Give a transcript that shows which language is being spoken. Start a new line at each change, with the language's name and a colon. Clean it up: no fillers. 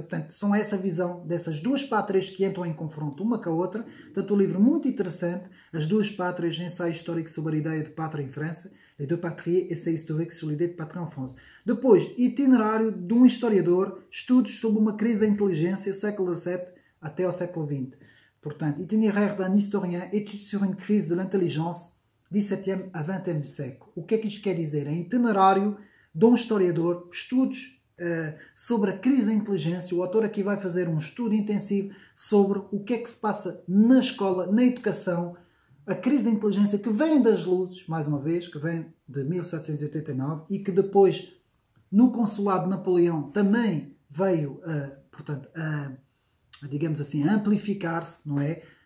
Portuguese: Portanto, são essa visão dessas duas pátrias que entram em confronto uma com a outra. Portanto, um livro muito interessante, As Duas Pátrias, ensaio histórico sobre a ideia de pátria em França,
French: Les deux patries, essai historique sur l'idée de patrie en France.
Portuguese: Depois, Itinerário de um historiador, estudos sobre uma crise da inteligência, século XVII até ao século XX.
French: Portanto, Itinéraire d'un historien, études sur une crise de l'intelligence, 17e a 20e século.
Portuguese: O que é que isto quer dizer? É itinerário de um historiador, estudos sobre a crise da inteligência. O autor aqui vai fazer um estudo intensivo sobre o que é que se passa na escola, na educação, a crise da inteligência que vem das luzes, mais uma vez, que vem de 1789 e que depois, no consulado de Napoleão, também veio, portanto, digamos assim, a amplificar-se, não é?